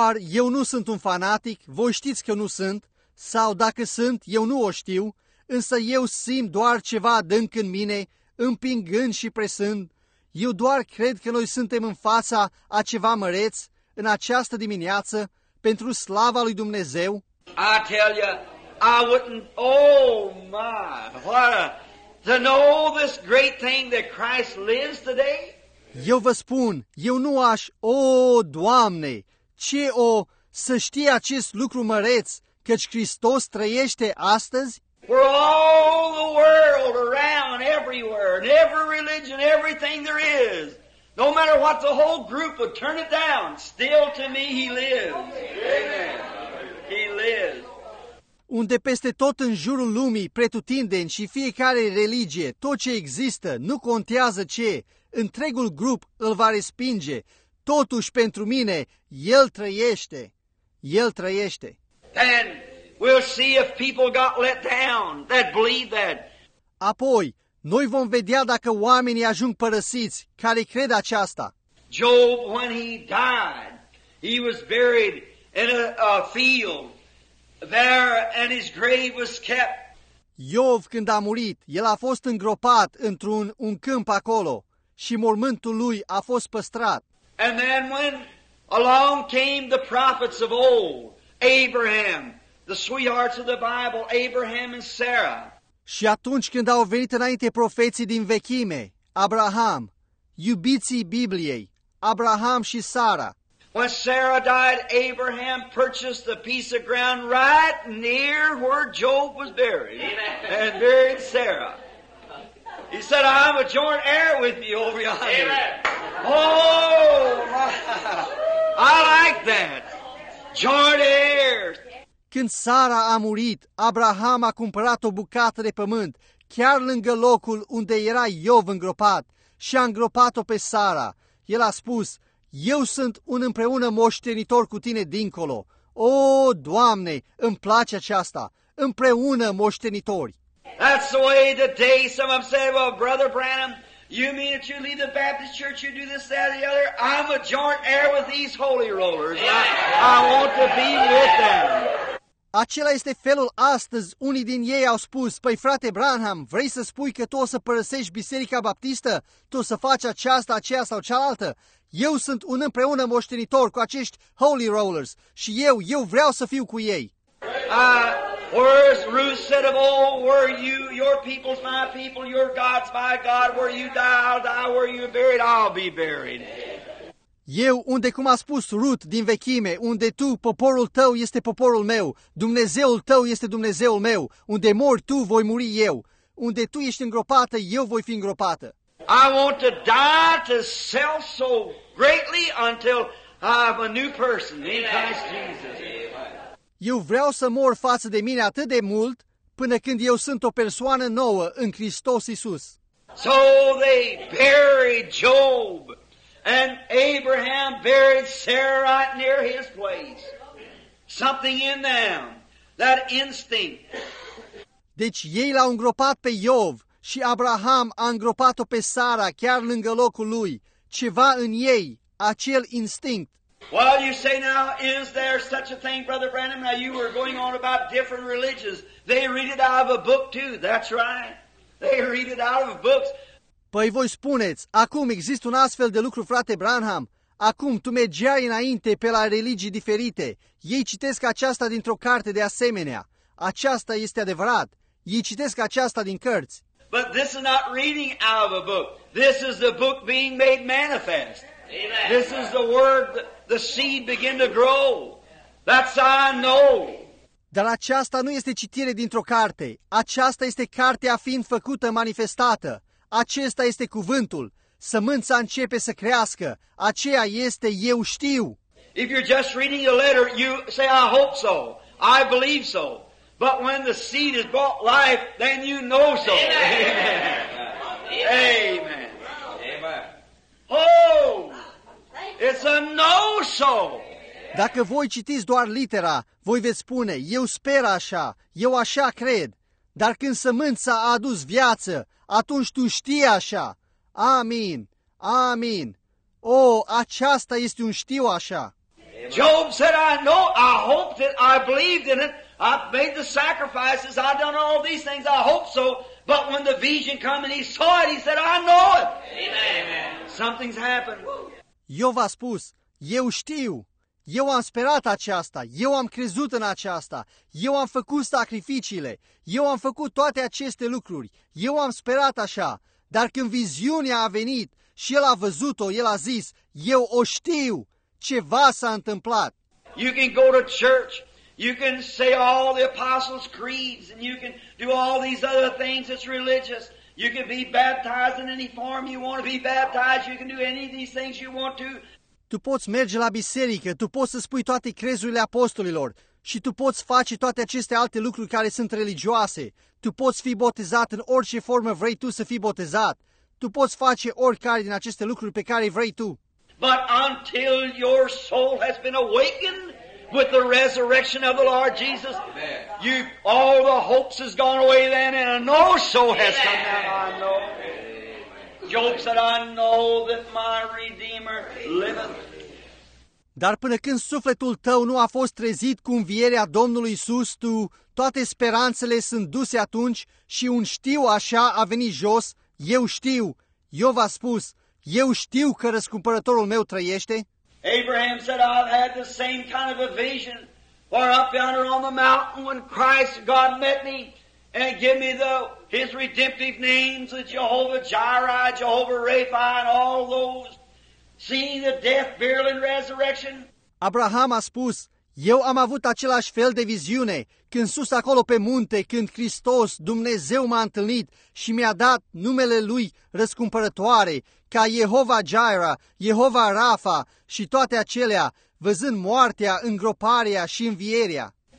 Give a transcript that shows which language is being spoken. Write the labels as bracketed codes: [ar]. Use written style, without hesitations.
[ro] Eu nu sunt un fanatic, voi știți că nu sunt, sau dacă sunt, eu nu o știu, însă eu simt doar ceva adânc în mine, împingând și presând. Eu doar cred că noi suntem în fața a ceva măreț în această dimineață pentru slava lui Dumnezeu. [en] I tell you, I wouldn't, oh my, what a, to know this great thing that Christ lives today. [ro] Eu vă spun, eu nu aș, Doamne, ce o să știe acest lucru măreț, căci Hristos trăiește astăzi? [en] For all the world around, everywhere, and every religion, everything there is, no matter what the whole group would turn it down, still to me He lives. Amen. He lives. [ro] Unde peste tot în jurul lumii, pretutindeni și fiecare religie, tot ce există, nu contează ce, întregul grup îl va respinge, totuși pentru mine, El trăiește. El trăiește. [en] And we'll see if people got let down that believe that. [ro] Apoi, noi vom vedea dacă oamenii ajung părăsiți care cred aceasta. [en] Job, when he died, he was buried in a field there, and his grave was kept. [ro] Iov, când a murit, el a fost îngropat într-un un câmp acolo și mormântul lui a fost păstrat. [en] And then when along came the prophets of old, Abraham, the sweethearts of the Bible, Abraham and Sarah. [ro] Și atunci când au venit înainte profeții din vechime, Abraham, iubiții Bibliei, Abraham și Sara. [en] When Sarah died, Abraham purchased the piece of ground right near where Job was buried. Amen. And buried Sarah. He said, I'm a joint heir with you over yonder. Amen. Oh, I like that. Joint heirs. [ro] Când Sara a murit, Abraham a cumpărat o bucată de pământ chiar lângă locul unde era Iov îngropat și a îngropat-o pe Sara. El a spus, eu sunt un împreună moștenitor cu tine dincolo. O, Doamne, îmi place aceasta, împreună moștenitori. [en] That's the way the day some of them say, well, Brother Branham, you mean that you leave the Baptist church, you do this, that, or the other? I'm a joint heir with these holy rollers. I want to be with them. [ro] Acela este felul astăzi. Unii din ei au spus, păi frate Branham, vrei să spui că tu o să părăsești Biserica Baptistă? Tu o să faci aceasta, aceea sau cealaltă? Eu sunt un împreună moștenitor cu acești holy rollers și eu vreau să fiu cu ei. [en] Where is Ruth said of old, where you, your people's my people, your God's my God, where you die, I'll die, where you're buried, I'll be buried. [ro] Eu, unde cum a spus Ruth din vechime, unde tu, poporul tău este poporul meu, Dumnezeul tău este Dumnezeul meu, unde mori tu, voi muri eu, unde tu ești îngropată, eu voi fi îngropată. [en] I want to die to self so greatly until I have a new person in Christ Jesus. [ro] Eu vreau să mor față de mine atât de mult până când eu sunt o persoană nouă în Hristos Iisus. [en] So they buried Job, and Abraham buried Sarah right near his place. Something in them, that instinct. [ro] Deci ei l-au îngropat pe Iov și Abraham a îngropat-o pe Sara chiar lângă locul lui. Ceva în ei, acel instinct. [en] Well, you say now, is there such a thing, Brother Branham? Now, you were going on about different religions. They read it out of a book, too. That's right. They read it out of books. [ro] Păi voi spuneți, acum există un astfel de lucru, frate Branham. Acum tu mergeai înainte pe la religii diferite. Ei citesc aceasta dintr-o carte de asemenea. Aceasta este adevărat. Ei citesc aceasta din cărți. [en] But this is not reading out of a book. This is the book being made manifest. Amen. This is the word the seed begin to grow. That's how I know. [ro] Dar aceasta nu este citire dintr-o carte. Aceasta este cartea fiind făcută, manifestată. Acesta este cuvântul. Sămânța începe să crească. Aceea este eu știu. [en] If you're just reading the letter, you say, I hope so. I believe so. But when the seed has brought life, then you know so. Amen. Amen. Amen. Oh, it's a know-so. [ro] Dacă voi citiți doar litera, voi veți spune, eu sper așa, eu așa cred. Dar când sămânța a adus viață, atunci tu știi așa. Amin. Amin. Oh, aceasta este un știu așa. [en] Amen. Job said, I know, I hoped it, I believed in it. I've made the sacrifices, I've done all these things, I hope so. But when the vision came and he saw it, he said, I know it. Amen. Something's happened. [ro] Iov a spus, eu știu, eu am sperat aceasta, eu am crezut în aceasta, eu am făcut sacrificiile, eu am făcut toate aceste lucruri, eu am sperat așa. Dar când viziunea a venit și el a văzut-o, el a zis, eu o știu, ceva s-a întâmplat. [en] You can go to church. You can say all the apostles' creeds and you can do all these other things that's religious. You can be baptized in any form you want to be baptized. You can do any of these things you want to. [ro] Tu poți merge la biserică, tu poți să spui toate crezurile apostolilor și tu poți face toate aceste alte lucruri care sunt religioase. Tu poți fi botezat în orice formă vrei tu să fii botezat. Tu poți face oricare din aceste lucruri pe care vrei tu. [en] But until your soul has been awakened with the resurrection of the Lord Jesus, you, all the hopes has gone away then, and a no-so has come down. I know. Job said, I know that my Redeemer liveth. [ro] Dar până când sufletul tău nu a fost trezit cu învierea Domnului Iisus, tu, toate speranțele sunt duse atunci și un știu așa a venit jos, eu știu, Iov a spus, eu știu că răscumpărătorul meu trăiește. [en] Abraham said, I've had the same kind of a vision far up yonder on the mountain when Christ, God, met me and gave me his redemptive names, the Jehovah Jireh, Jehovah Rapha, and all those, seeing the death, burial, and resurrection. [ro] Abraham a spus, eu am avut același fel de viziune când sus acolo pe munte, când Hristos, Dumnezeu, m-a întâlnit și mi-a dat numele Lui răscumpărătoare, ca Jehova Jireh, Jehova Rapha și toate acelea, văzând moartea, îngroparea și învierea.